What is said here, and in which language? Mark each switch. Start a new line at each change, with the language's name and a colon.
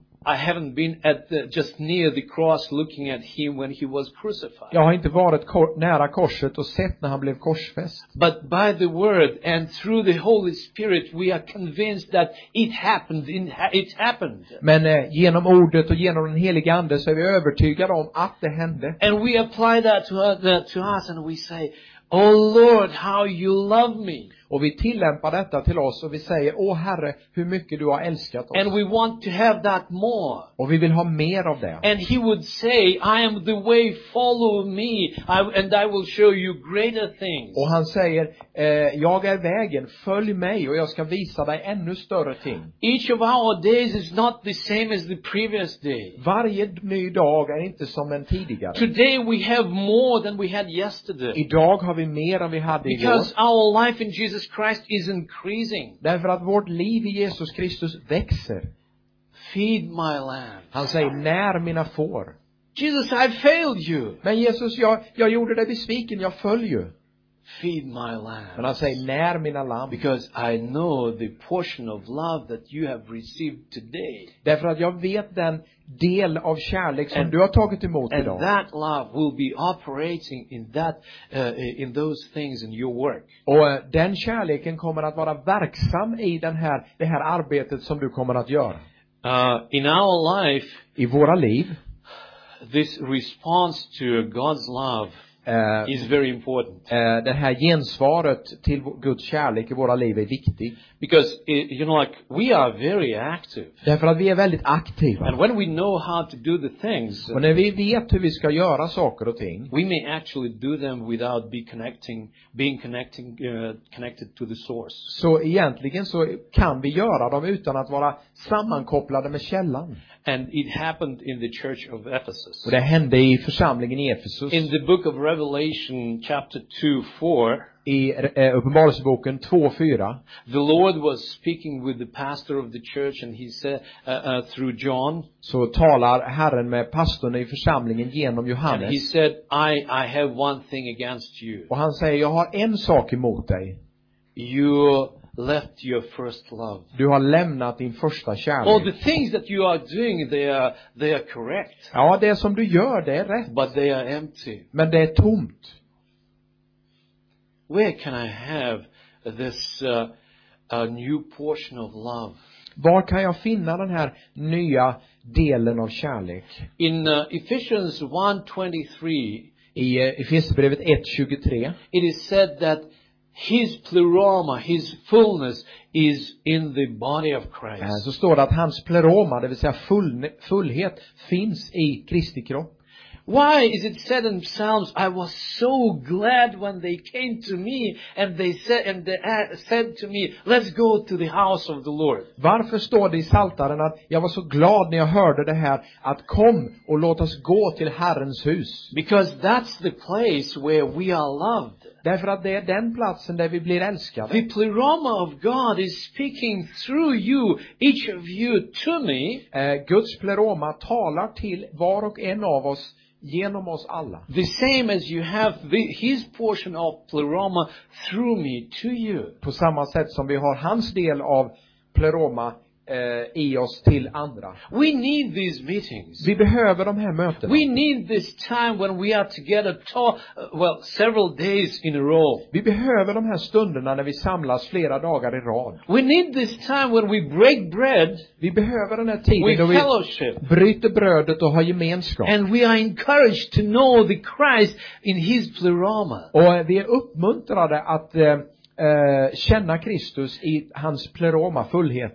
English: I haven't been at just near the cross looking at him when he was crucified.
Swedish: Jag har inte varit nära korset och sett när han blev korsfäst.
English: But by the word and through the Holy Spirit we are convinced that it happened.
Swedish: Men genom ordet och genom den helige ande så är vi övertygade om att det hände.
English: And we apply that to us and we say, oh Lord, how you love me.
Swedish: Och vi tillämpar detta till oss och vi säger, å Herre, hur mycket du har älskat oss.
English: And we want to have that more.
Swedish: Och vi vill ha mer av det.
English: And he would say, I am the way, follow me, and I will show you greater things.
Swedish: Och han säger, jag är vägen, följ mig och jag ska visa dig ännu större ting.
English: Each of our days is not the same as the previous day.
Swedish: Varje ny dag är inte som en tidigare.
English: Today we have more than we had yesterday.
Swedish: Idag har vi mer än vi hade igår.
English: Because our life in Jesus Christ is increasing.
Swedish: Därför att vårt liv i Jesus Kristus växer.
English: Feed my lamb.
Swedish: Han säger, när mina får.
English: Jesus, I failed you.
Swedish: Men Jesus, jag gjorde dig besviken, jag följer.
English: Feed my lamb.
Swedish: Men han säger, när mina lamb.
English: Because I know the portion of love that you have received today.
Swedish: Därför att jag vet den del av kärlek som du har tagit emot
English: and
Swedish: idag.
English: And that love will be operating in those things in your work.
Swedish: Och den kärleken kommer att vara verksam i det här arbetet som du kommer att göra.
English: In our life.
Swedish: I våra liv.
English: This response to God's love. Is very important.
Swedish: Det här gensvaret till Guds kärlek i våra liv är viktigt.
English: Because you know, like we are very active.
Swedish: Därför att vi är väldigt aktiva.
English: And when we know how to do the things.
Swedish: Och när vi vet hur vi ska göra saker och ting.
English: We may actually do them without being connected to the source.
Swedish: Så egentligen så kan vi göra dem utan att vara sammankopplade med källan.
English: And it happened in the church of Ephesus.
Swedish: Och det hände i församlingen i Ephesus.
English: In the book of Revelation chapter 2:4.
Swedish: I Uppenbarelseboken 2:4.
English: The Lord was speaking with the pastor of the church and he said through John.
Swedish: Så talar Herren med pastorn i församlingen genom Johannes.
English: And he said, I have one thing against you.
Swedish: Och han säger, jag har en sak emot dig.
English: You left your first love.
Swedish: Du har lämnat din första kärlek.
English: All the things that you are doing, they are correct.
Swedish: Ja, det som du gör, det är rätt.
English: But they are empty.
Swedish: Men det är tomt.
English: Where can I have this new portion of love?
Swedish: Var kan jag finna den här nya delen av kärlek?
English: In Ephesians 1:23.
Swedish: I Efesierbrevet 1:23.
English: It is said that his pleroma, his fullness is in the body of Christ.
Swedish: Så står det att hans pleroma, det vill säga fullhet, finns i Kristi kropp.
English: Why is it said in Psalms, I was so glad when they came to me and they said and they said to me, let's go to the house of the Lord.
Swedish: Varför står det i Saltaren att jag var så glad när jag hörde det här att kom och låt oss gå till Herrens hus?
English: Because that's the place where we are loved.
Swedish: Därför att det är den platsen där vi blir älskade.
English: The pleroma of God is speaking through you, each of you, to me.
Swedish: Guds pleroma talar till var och en av oss genom oss alla.
English: The same as you have the, his portion of pleroma through me to you.
Swedish: På samma sätt som vi har hans del av pleroma i oss till andra.
English: We need these meetings.
Swedish: Vi behöver de här mötena.
English: We need this time when we are together talk, well, several days in a row.
Swedish: Vi behöver de här stunderna när vi samlas flera dagar i rad.
English: We need this time when we break bread.
Swedish: Vi behöver den här tiden då
English: fellowship.
Swedish: Vi bryter brödet och har gemenskap.
English: And we are encouraged to know the Christ in his pleroma.
Swedish: Och vi är uppmuntrade att känna Kristus i hans pleroma fullhet.